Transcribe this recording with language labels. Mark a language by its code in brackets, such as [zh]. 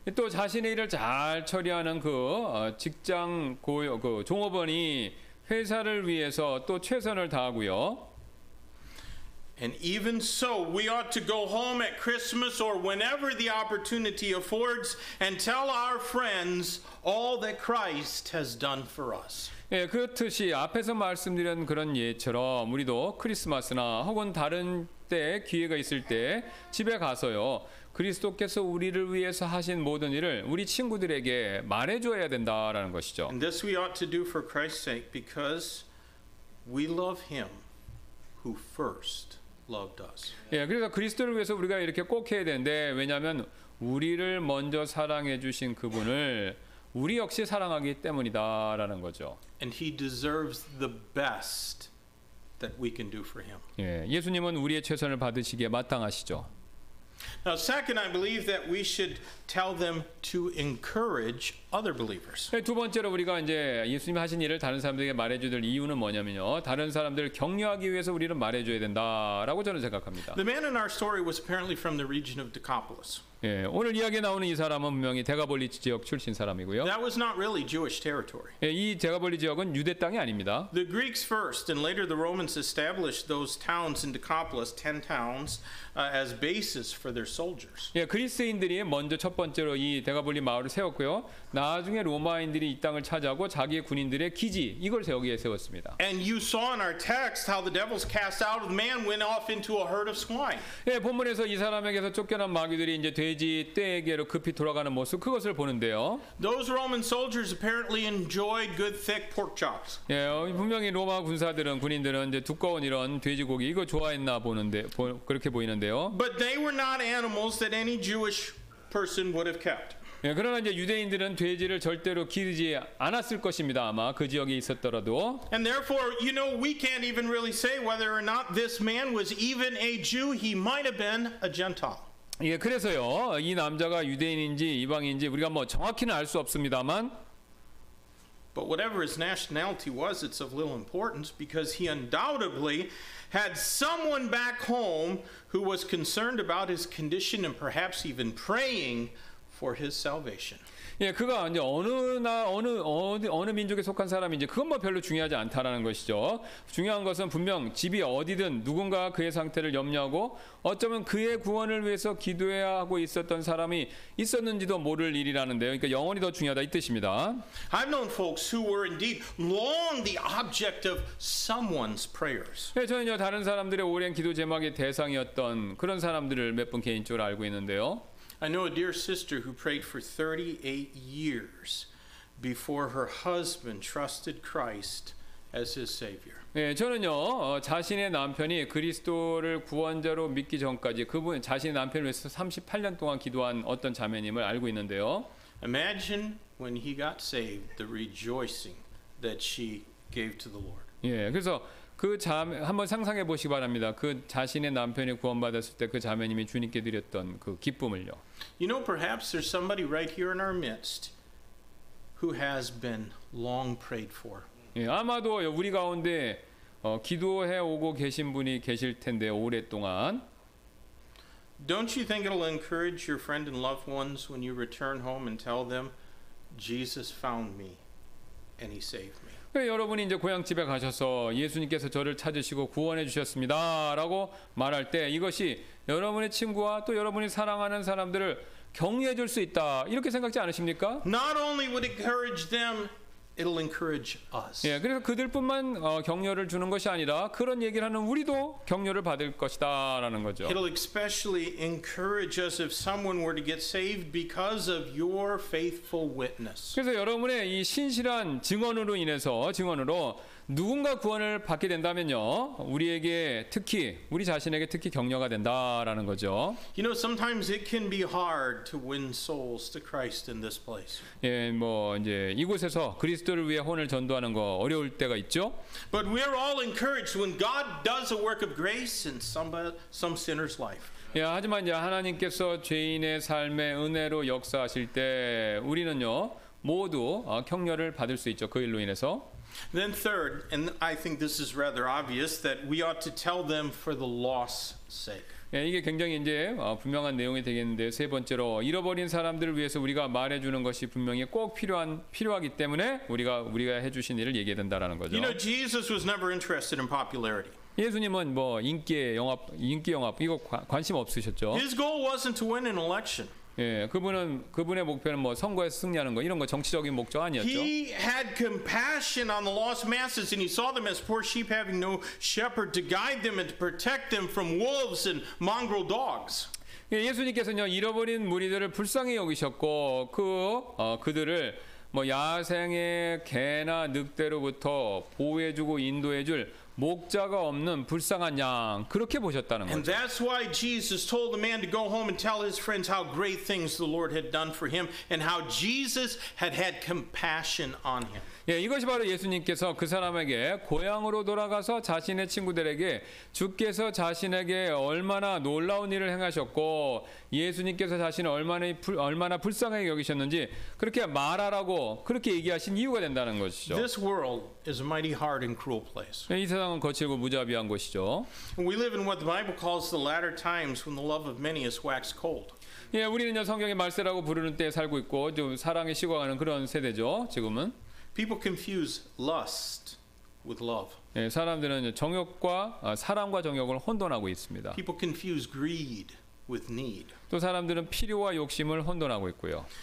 [ko] 또 자신의 일을 잘 처리하는 그 직장 고요 그 종업원이 회사를 위해서 또 최선을 다하고요. [en] And even so, we ought to go home at Christmas or whenever the opportunity affords and tell our friends all that Christ has done for us. [ko] 예, 그렇듯이 앞에서 말씀드린 그런 예처럼 우리도 크리스마스나 혹은 다른 때 기회가 있을 때 집에 가서요. 그리스도께서 우리를 위해서 하신 모든 일을 우리 친구들에게 말해 줘야 된다라는 것이죠. [en] And this we ought to do for Christ's sake because we love him who first loved us. [ko] 예, 그래서 그리스도를 위해서 우리가 이렇게 꼭 해야 되는데 왜냐면 우리를 먼저 사랑해 주신 그분을 우리 역시 사랑하기 때문이다라는 거죠. [en] And he deserves the best that we can do for him. [ko] 예, 예수님은 우리의 최선을 받으시기에 마땅하시죠. [en] Now, second, I believe that we should tell them to encourage other believers. [ko] 두 번째로 우리가 이제 예수님 하신 일을 다른 사람들에게 말해줄 이유는 뭐냐면요, 다른 사람들을 격려하기 위해서 우리는 말해줘야 된다라고 저는 생각합니다. [en] The man in our story was apparently from the region of Decapolis. [ko] 예, 오늘 이야기에 나오는 이 사람은 분명히 데가볼리 지역 출신 사람이고요. [en] That was not really Jewish territory. [ko] 예, 이 데가볼리 지역은 유대 땅이 아닙니다. [en] The Greeks first and later the Romans established those towns in Decapolis, 10 towns, as bases for their soldiers. [ko] 예, 그리스인들이 먼저 첫 번째로 이 데가볼리 마을을 세웠고요. 나중에 로마인들이 이 땅을 차지하고 자기의 군인들의 기지 이걸 세우기에 세웠습니다. [en] And you saw in our text how the devils cast out of the man went off into a herd of swine. [ko] 예, 본문에서 이 사람에게서 쫓겨난 마귀들이 이제 돼지 떼에게로 급히 돌아가는 모습 그것을 보는데요. [en] Those Roman soldiers apparently enjoyed good thick pork chops. [ko] 예, 분명히 로마 군사들은 군인들은 이제 두꺼운 이런 돼지고기 이거 좋아했나 보는데 그렇게 보이는데요. [en] But they were not animals that any Jewish person would have kept. [ko] 예, 그러나 이제 유대인들은 돼지를 절대로 기르지 않았을 것입니다. 아마 그 지역에 있었더라도. [en] And therefore, you know, we can't even really say whether or not this man was even a Jew. He might have been a Gentile. [ko] 예, 그래서요. 이 남자가 유대인인지 이방인인지 우리가 뭐 정확히는 알 수 없습니다만. [en] But whatever his nationality was, it's of little importance because he undoubtedly had someone back home who was concerned about his condition and perhaps even praying for his salvation. [ko] 예, 그가 이제 어느 민족에 속한 사람인지 그건 뭐 별로 중요하지 않다라는 것이죠. 중요한 것은 분명 집이 어디든 누군가 그의 상태를 염려하고 어쩌면 그의 구원을 위해서 기도해야 하고 있었던 사람이 있었는지도 모를 일이라는데요. 그러니까 영원히 더 중요하다 이 뜻입니다. [en] I've known folks who were indeed long the object of someone's prayers. [ko] 예, 저는요 다른 사람들의 오랜 기도 제목의 대상이었던 그런 사람들을 몇 분 개인적으로 알고 있는데요. [en] I know a dear sister who prayed for 38 years before her husband trusted Christ as his savior. [ko] 예, 저는요. 자신의 남편이 그리스도를 구원자로 믿기 전까지 그분 자신의 남편을 위해서 38년 동안 기도한 어떤 자매님을 알고 있는데요. [en] Imagine when he got saved the rejoicing that she gave to the Lord. [ko] 예, 그래서 그 자매 한번 상상해 보시기 바랍니다. 그 자신의 남편이 구원받았을 때 그 자매님이 주님께 드렸던 그 기쁨을요. [en] You know, perhaps there's somebody right here in our midst who has been long prayed for. [ko] 예, 아마도 우리 가운데 기도해 오고 계신 분이 계실 텐데 오랫동안. [en] Don't you think it'll encourage your friend and loved ones when you return home and tell them Jesus found me and he saved me? [ko] 여러분이 이제 고향 집에 가셔서 예수님께서 저를 찾으시고 구원해 주셨습니다라고 말할 때 이것이 여러분의 친구와 또 여러분이 사랑하는 사람들을 격려해 줄 수 있다 이렇게 생각지 않으십니까? [en] Not only would it encourage them, it'll encourage us. [ko] 예, 그래서 그들뿐만 격려를 주는 것이 아니라 그런 얘기를 하는 우리도 격려를 받을 것이다라는 거죠. [en] It'll especially encourage us if someone were to get saved because of your faithful witness. [ko] 그래서 여러분의 이 신실한 증언으로 인해서 증언으로 누군가 구원을 받게 된다면요, 우리에게 특히 우리 자신에게 특히 격려가 된다라는 거죠. [en] You know, sometimes it can be hard to win souls to Christ in this place. [ko] 예, 뭐 이제 이곳에서 그리스도를 위해 혼을 전도하는 거 어려울 때가 있죠. [en] But we're all encouraged when God does a work of grace in some sinner's life. [ko] 예, 하지만 이제 하나님께서 죄인의 삶에 은혜로 역사하실 때 우리는요 모두 격려를 받을 수 있죠, 그 일로 인해서. [en] Then third, and I think this is rather obvious, that we ought to tell them for the loss sake. [ko] 예, 이게 굉장히 이제 분명한 내용이 되겠는데 세 번째로 잃어버린 사람들을 위해서 우리가 말해주는 것이 분명히 꼭 필요하기 때문에 우리가 해주신 일을 얘기해야 된다라는 거죠. [en] You know, Jesus was never interested in popularity. [ko] 예수님은 뭐 인기 영합 이거 관심 없으셨죠. [en] His goal wasn't to win an election. [ko] 예, 그분의 목표는 뭐 선거에 승리하는 거 이런 거 정치적인 목적 아니었죠. [en] He had compassion on the lost masses and he saw them as poor sheep having no shepherd to guide them and to protect them from wolves and mongrel dogs. [ko] 예, 예수님께서는요 잃어버린 무리들을 불쌍히 여기셨고 그들을 뭐 야생의 개나 늑대로부터 보호해 주고 인도해 줄 목자가 없는 불쌍한 양 그렇게 보셨다는 거죠. [en] And that's why Jesus told the man to go home and tell his friends how great things the Lord had done for him and how Jesus had had compassion on him. [ko] 예, 이것이 바로 예수님께서 그 사람에게 고향으로 돌아가서 자신의 친구들에게 주께서 자신에게 얼마나 놀라운 일을 행하셨고 예수님께서 자신을 얼마나 불쌍하게 여기셨는지 그렇게 말하라고 그렇게 얘기하신 이유가 된다는 것이죠. [en] This world is a mighty hard and cruel place. [ko] 이 세상은 거칠고 무자비한 곳이죠. [en] We live in what the Bible calls the latter times when the love of many is waxed cold. [ko] 예, 우리는요 성경의 말세라고 부르는 때에 살고 있고 좀 사랑이 식어가는 그런 세대죠. 지금은. [en] People confuse lust with love. [ko] 예, 사람들은 정욕과 사랑과 정욕을 혼돈하고 있습니다. [en] People confuse greed with need. [ko] 또 사람들은 필요와 욕심을 혼돈하고 있고요.